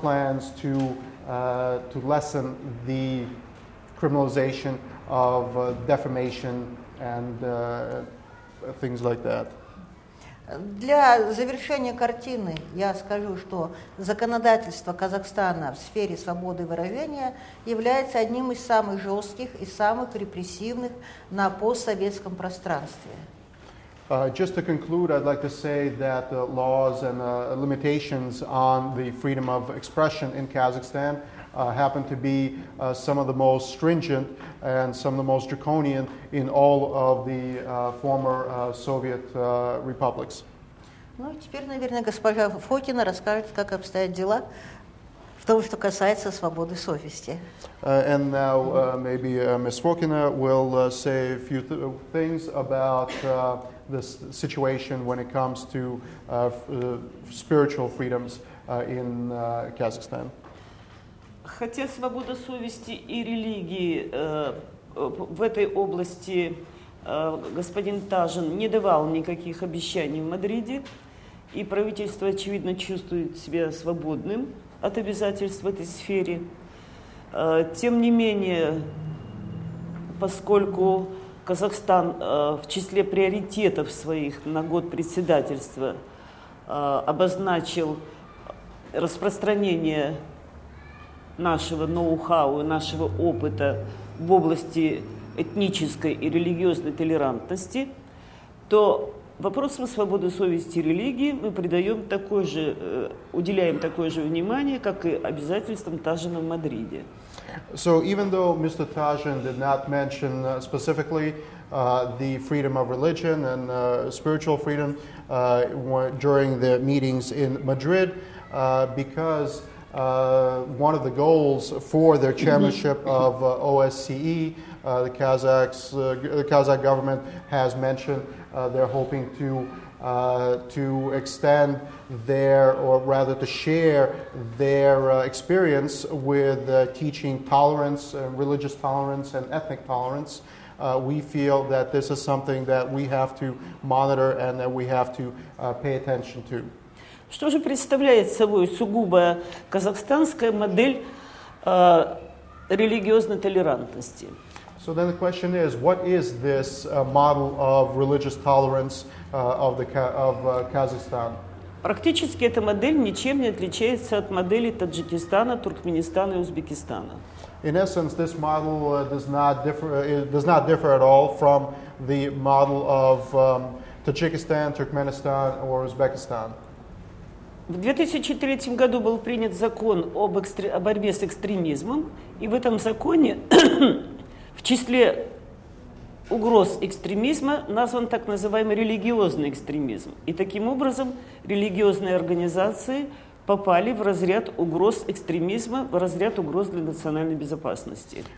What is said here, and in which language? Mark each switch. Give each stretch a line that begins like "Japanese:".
English: And there are no plans to lessen the criminalization of defamation and things like that.
Russian: Для завершения картины я скажу, что законодательство Казахстана в сфере свободы выражения является одним из самых жестких и самых репрессивных на постсоветском пространстве.
English: Just to conclude, I'd like to say that the laws and limitations on the freedom of expression in Kazakhstan happen to be some of the most stringent and some of the most draconian in all of the former Soviet republics.
Russian: Ну, теперь, наверное, госпожа Фокина расскажет, как обстоят дела в том, что касается свободы совести.
English: And now maybe Ms. Fokina will say a few things about this situation when it comes to spiritual freedoms in Kazakhstan.
Russian: Хотя свобода совести и религии в этой области господин Тажин не давал никаких обещаний в Мадриде, и правительство, очевидно, чувствует себя свободным от обязательств в этой сфере. Тем не менее, поскольку Казахстан в числе приоритетов своих на год председательства обозначил распространение нашего ноу-хау, нашего опыта в области этнической и религиозной толерантности, то вопросам свободы совести и религии мы придаем такое же, уделяем такое же внимание, как и обязательствам Тажина в Мадриде.
English: So even though Mr. Tajin did not mention specifically the freedom of religion and spiritual freedom during the meetings in Madrid, because one of the goals for their chairmanship of OSCE, the Kazakh government has mentioned they're hoping to extend their, or rather to share their experience with teaching tolerance, religious tolerance, and ethnic tolerance. We feel that this is something that we have to monitor and that we have to pay attention to.
Russian: Что же представляет собой сугубо казахстанская модель религиозной толерантности?
English: So then the question is, what is this model of religious tolerance Kazakhstan?
Russian: Практически эта модель ничем не отличается от модели Таджикистана, Туркменистана и Узбекистана.
English: In essence, this model does not differ at all from the model of Tajikistan, Turkmenistan or Uzbekistan.
Russian: В 2003 году был принят закон о борьбе с экстремизмом, и в этом законе в числе угроз экстремизма назван так называемый религиозный экстремизм. И таким образом религиозные организации попали в разряд угроз экстремизма, в разряд угроз для национальной безопасности.